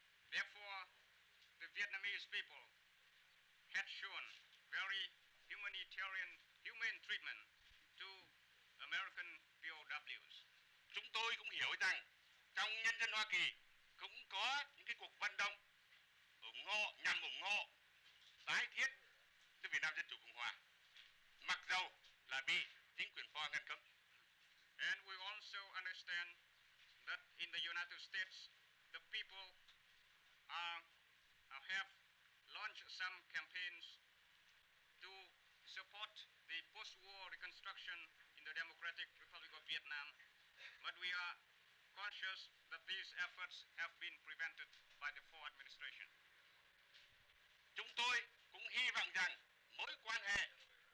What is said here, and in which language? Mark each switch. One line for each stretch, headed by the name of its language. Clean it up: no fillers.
English: Therefore, the Vietnamese people had shown very humane treatment to American POWs.
Vietnamese: Chúng tôi cũng hiểu rằng trong nhân dân Hoa Kỳ cũng có những cái cuộc vận động nhằm ủng hộ tái thiết nước Việt Nam Dân Chủ Cộng Hòa, mặc dầu là bị chính quyền Hoa ngăn cấm.
English: And we also understand that in the United States, the people have launched some campaigns to support the post-war reconstruction in the Democratic Republic of Vietnam. But we are conscious that these efforts have been prevented by the Ford administration.
Vietnamese: Chúng tôi cũng hy vọng rằng mối quan hệ